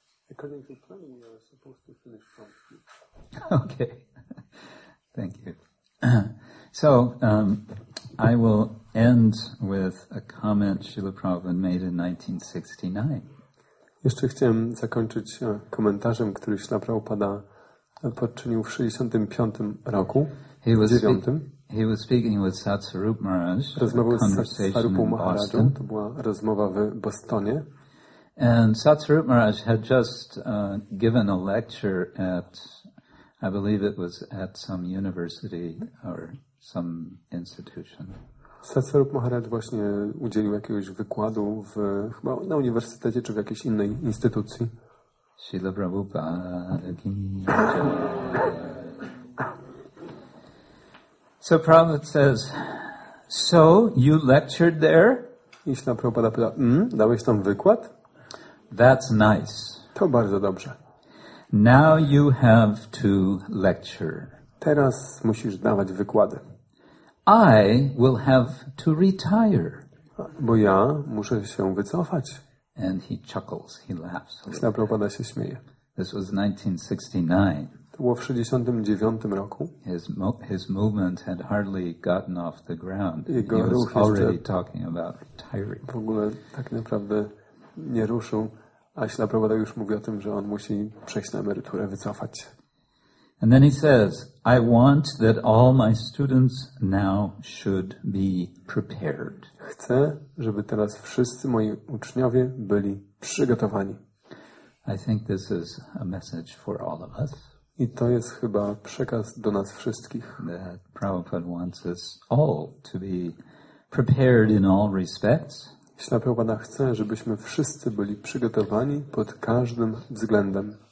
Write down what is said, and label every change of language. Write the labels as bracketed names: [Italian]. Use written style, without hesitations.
[English] According to plan, we are supposed to finish from here. Okay. Thank you. So, I will end with a comment Srila Prabhupada made in 1969. [Polish] Jeszcze chciałem zakończyć komentarzem, który Srila Prabhupada poczynił w 65 roku. [English] He was speaking with Satsarup Maharaj. [Polish] Rozmawiał z Satsarupą Maharajem. To była rozmowa w Bostonie. [English] And Satsarup Maharaj had just given a lecture at, I believe it was at some university or some institution. [Polish] Satsarup Maharaj właśnie udzielił jakiegoś wykładu w chyba na uniwersytecie czy w jakiejś innej instytucji. [Hindi] Śrila Prabhupada ki jai. [English] So Prabhupada says, so you lectured there? [Polish] I Śrila Prabhupada pyta, dałeś tam wykład? [English] That's nice. [Polish] To bardzo dobrze. [English] Now you have to lecture. [Polish] Teraz musisz dawać wykłady. [English] I will have to retire. [Polish] Bo ja muszę się wycofać. [English] And he chuckles, he laughs. [Polish] Śla Prabhupada się śmieje. [English] This was 1969. [Polish] To było w 69 roku. [English] His movement had hardly gotten off the ground. [Polish] Jego [English] he [Polish] ruch [English] was already talking about retiring. [Polish] W ogóle tak naprawdę nie ruszył. A Śla Prabhupada już mówi o tym, że on musi przejść na emeryturę, wycofać. [English] And then he says, I want that all my students now should be prepared. [Polish] Chcę, żeby teraz wszyscy moi uczniowie byli przygotowani. [English] I think this is a message for all of us. [Polish] I to jest chyba przekaz do nas wszystkich. [English] That Prabhupada wants us all to be prepared in all respects. [Polish] Śla Prabhupada chce, żebyśmy wszyscy byli przygotowani pod każdym względem.